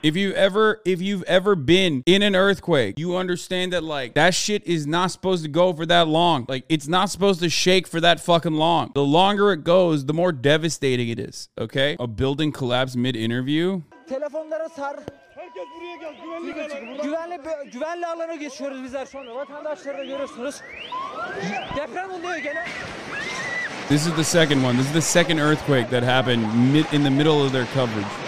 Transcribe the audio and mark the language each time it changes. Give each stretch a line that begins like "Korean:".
English: If you've ever been in an earthquake, you understand that, like, that shit is not supposed to go for that long. Like, it's not supposed to shake for that fucking long. The longer it goes, the more devastating it is. Okay? A building collapsed mid-interview.
Turkish: Telefonlara sar. Herkes buraya gel. Güvenli geç. Güvenli, güvenli alana geçiyoruz bizler şu anda. Vatandaşları da görüyorsunuz. Deprem oluyor gene.
English: This is the second one. This is the second earthquake that happened in the middle of their coverage.